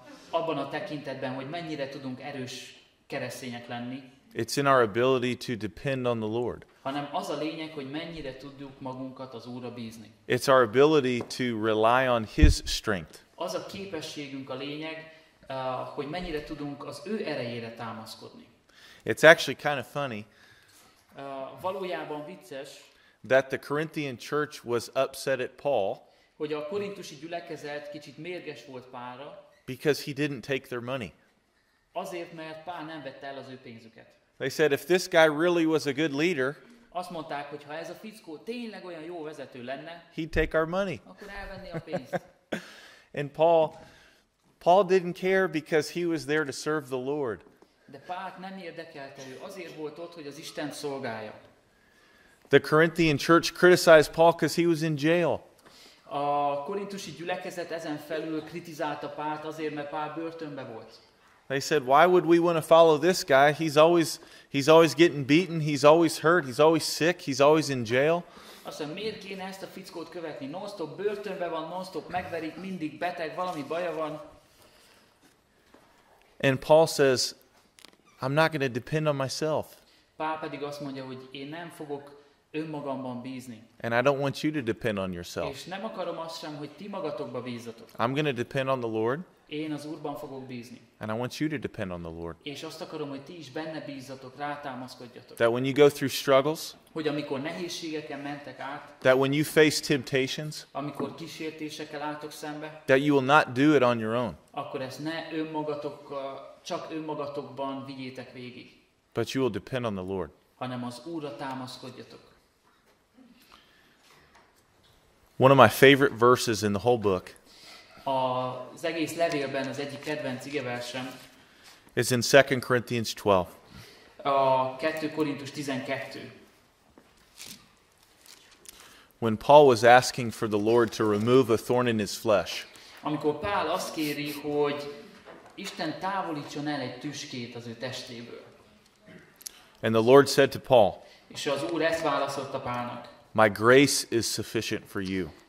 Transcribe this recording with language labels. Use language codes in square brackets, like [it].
[hu] Abban a tekintetben, hogy mennyire tudunk erős keresztények lenni. [en] It's in our ability to depend on the Lord. [hu] Hanem az a lényeg, hogy mennyire tudjuk magunkat az Úrra bízni. [en] It's our ability to rely on His strength. [hu] Az a képességünk a lényeg, hogy mennyire tudunk az ő erejére támaszkodni. [en] It's actually kind of funny. [hu] Valójában vicces. [en] That the Corinthian church was upset at Paul. [hu] Hogy a korintusi gyülekezet kicsit mérges volt Pálra. [en] Because he didn't take their money. [hu] Azért, mert Pál nem vette el az ő pénzüket. [en] They said if this guy really was a good leader, [hu] azt mondták, hogy ha ez a fickó tényleg olyan jó vezető lenne, [en] he'd take our money. [hu] Akkor elvenné a pénzt. [en] And Paul didn't care because he was there to serve the Lord. [hu] De Pál nem érdekelte, ő azért volt ott, hogy az Isten szolgálja. [en] The Corinthian church criticized Paul because he was in jail. [hu] A korintusi gyülekezet ezen felül kritizálta Pált azért, mert Pál börtönbe volt. [en] They said, why would we want to follow this guy? He's always getting beaten, he's always hurt, he's always sick, he's always in jail. [hu] Azt mondja, miért kéne ezt a fickót követni? Non-stop börtönben van, non-stop megverik, mindig beteg, valami baja van. [en] And Paul says, I'm not going to depend on myself. [hu] Pál pedig azt mondja, hogy én nem fogok önmagamban bízni. [en] And I don't want you to depend on yourself. [hu] És nem akarom azt sem, hogy ti magatokba bízzatok. [en] I'm going to depend on the Lord. [hu] Én az Úrban fogok bízni. [en] And I want you to depend on the Lord. [hu] És azt akarom, hogy ti is benne bízzatok, rátámaszkodjatok. [en] That when you go through struggles, [hu] hogy amikor nehézségeken mentek át, [en] that when you face temptations, [hu] amikor kísértésekkel álltok szembe, [en] that you will not do it on your own. [hu] Akkor ezt ne önmagatokkal, csak önmagatokban vigyétek végig. [en] But you will depend on the Lord. [hu] Hanem az Úrra támaszkodjatok. [en] One of my favorite verses in the whole book. [hu] Az egész levélben az egyik kedvenc igeversem. [en] It's in 2 Corinthians 12. [hu] A 2. Korintus 12. [en] When Paul was asking for the Lord to remove a thorn in his flesh. [hu] Amikor Pál azt kéri, hogy Isten távolítson el egy tüskét az ő testéből. [en] And the Lord said to Paul. [hu] És az Úr ezt válaszolta Pálnak. [en] My grace is sufficient for you.